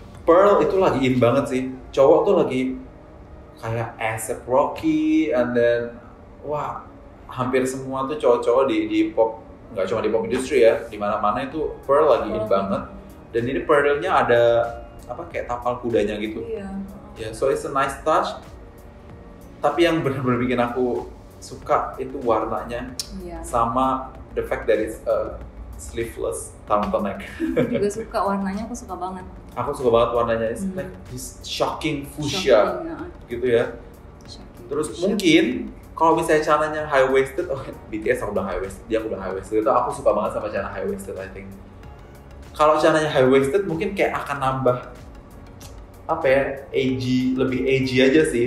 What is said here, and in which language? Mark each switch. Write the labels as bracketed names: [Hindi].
[Indonesian] Pearl itu lagi in banget sih. Cowok tuh lagi kayak ASAP Rocky, and then wah, hampir semua tuh cowok-cowok di pop, nggak cuma di pop industry ya, di mana-mana itu pearl lagi in banget. Dan ini pearlnya ada apa kayak tapal kudanya gitu. Iya. [English] Yeah, so it's a nice touch. [Indonesian] Tapi yang benar-benar bikin aku suka itu warnanya. [English] Yeah. Sama the fact that it's a sleeveless tanpa neck. [Indonesian] Juga suka warnanya, aku suka banget. Aku suka banget warnanya. [English] It's like this shocking fuchsia. Shocking, [Indonesian] gitu ya. [English] Shocking. [Indonesian] Terus [English] shocking. [Indonesian] Mungkin kalau misalnya celananya high waisted, oh, BTS aku bilang high waisted, dia aku bilang high waisted. Itu aku suka banget sama celana high waisted, I think. Kalau celananya high waisted mungkin kayak akan nambah apa ya, edgy, lebih edgy aja sih.